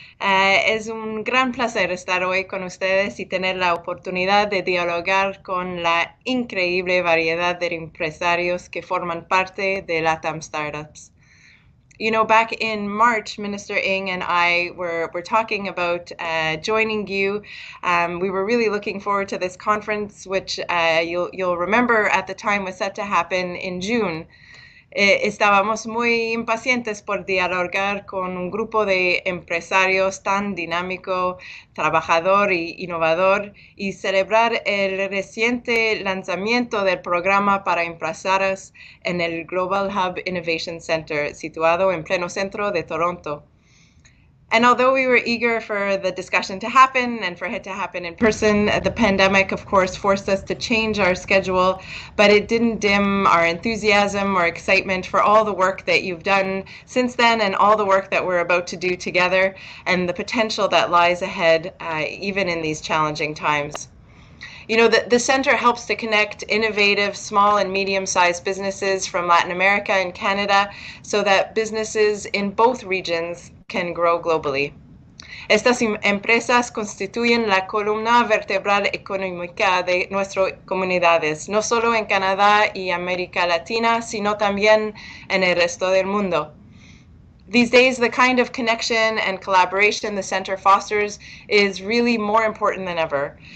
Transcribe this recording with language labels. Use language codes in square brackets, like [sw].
[es] Es un gran placer estar hoy con ustedes y tener la oportunidad de dialogar con la increíble variedad de empresarios que forman parte de LatAm Startups. [en] You know, back in March, Minister Ng and I were talking about joining you. We were really looking forward to this conference, which you'll remember at the time was set to happen in June. [es] Estábamos muy impacientes por dialogar con un grupo de empresarios tan dinámico, trabajador e innovador y celebrar el reciente lanzamiento del programa para empresarios en el Global Hub Innovation Center, situado en pleno centro de Toronto. [en] And although we were eager for the discussion to happen and for it to happen in person, the pandemic, of course, forced us to change our schedule, but it didn't dim our enthusiasm or excitement for all the work that you've done since then and all the work that we're about to do together and the potential that lies ahead, even in these challenging times. You know, the center helps to connect innovative small and medium-sized businesses from Latin America and Canada so that businesses in both regions can grow globally. [es] Estas empresas constituyen la columna vertebral económica de nuestras comunidades, no solo en Canadá y América Latina, sino también en el resto del mundo. [en] These days, the kind of connection and collaboration the center fosters is really more important than ever.